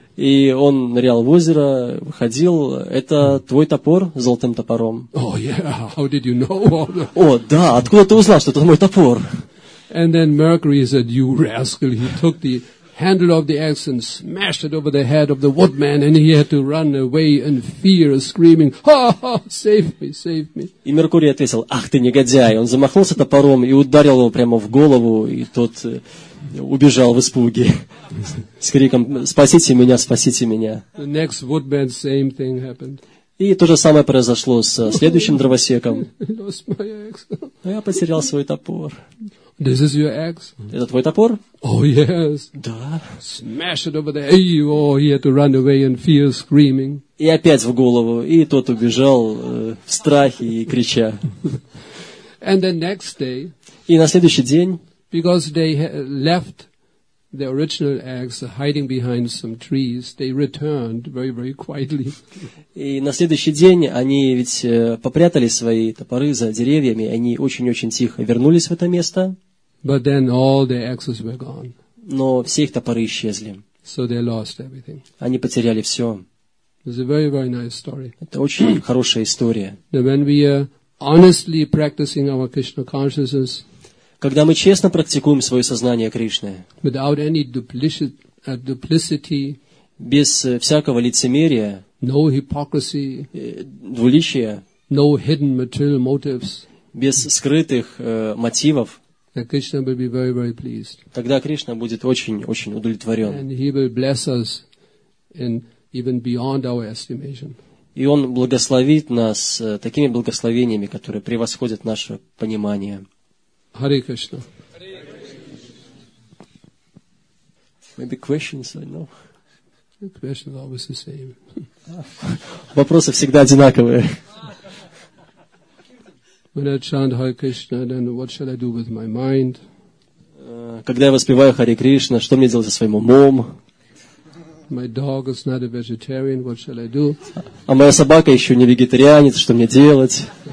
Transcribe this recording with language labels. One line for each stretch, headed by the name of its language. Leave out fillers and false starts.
Russian: И он нырял в озеро, выходил, это твой топор с золотым топором.
English: Oh, yeah. How did you know?
Russian: О, да, откуда ты узнал, что это мой топор?
English: And then Mercury said, "You rascal!" He took the handle of the axe and smashed it over the head of the woodman, and he had to run away in fear, screaming, "Ha ha! Save me! Save me!"
Russian: И Меркурий ответил: "Ах ты негодяй!" Он замахнулся топором и ударил его прямо в голову, и тот убежал в испуге с криком: "Спасите меня! Спасите меня!"
English: The next woodman, same thing happened.
Russian: И то же самое произошло со следующим дровосеком.
English: I lost my axe.
Russian: Я потерял свой топор.
English: This is your axe?
Russian: Это твой топор?
English: Oh, yes.
Russian: Да.
English: Smash it over there. Oh, he had to run away in fear, screaming.
Russian: И опять в голову. И тот убежал в страхе и крича.
English: And the next day,
Russian: и на следующий день,
English: because they left their original axe hiding behind some trees, they returned very, very quietly.
Russian: И на следующий день они ведь попрятали свои топоры за деревьями, они очень-очень тихо вернулись в это место.
English: But then all their axes were gone.
Russian: Но все их топоры исчезли.
English: So they lost everything.
Russian: Они потеряли все.
English: It's a very, very nice story.
Russian: Это очень хорошая история.
English: That when we are honestly practicing our Krishna consciousness,
Russian: когда мы честно практикуем свое сознание Кришны,
English: without any duplicity,
Russian: без всякого лицемерия,
English: no hypocrisy,
Russian: двуличия,
English: no hidden material motives,
Russian: без скрытых мотивов,
English: Krishna will be very, very pleased.
Russian: Тогда Кришна будет очень-очень удовлетворен.
English: And he will bless us in even beyond our estimation.
Russian: И Он благословит нас такими благословениями, которые превосходят наше понимание.
English: Hare Krishna. Maybe questions, I know. The question is always the same.
Russian: Вопросы всегда одинаковые.
English: When I chant Hare Krishna, then what shall I do with my mind?
Russian: Когда я воспеваю Hare Krishna, что мне делать со своим умом?
English: My dog is not a vegetarian, what shall I do?
Russian: А моя собака еще не вегетарианец, что мне делать?